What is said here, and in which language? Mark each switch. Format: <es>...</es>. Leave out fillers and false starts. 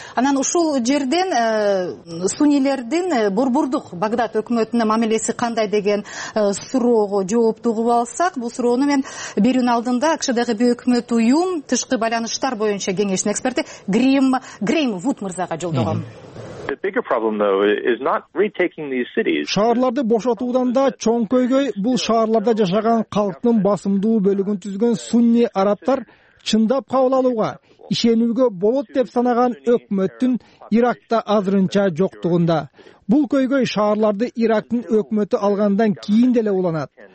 <ky>Анан ушул жерден суннилердин борбордук Багдад өкмөтүнө мамилеси кандай деген суроого жоопту угуп алсак, бул суроону мен берүүнүн алдында АКШдагы бейөкмөт уюм тышкы байланыштар боюнча кеңештин эксперти Грейм Вуд мырзага жолдогом.</ky> <en>The bigger problem though is not retaking these cities.</en> <ky>Шаарларды бошотуудан да чоң көйгөй бул шаарларда жашаган калктын басымдуу бөлүгүн түзгөн сунни арабтар чындап кабыл алууга, ишенүүгө болот деп санаган өкмөттүн Иракта азырынча жоктугунда. Бул көйгөй шаарларды Ирактын өкмөтү алгандан кийин деле уланат.</ky>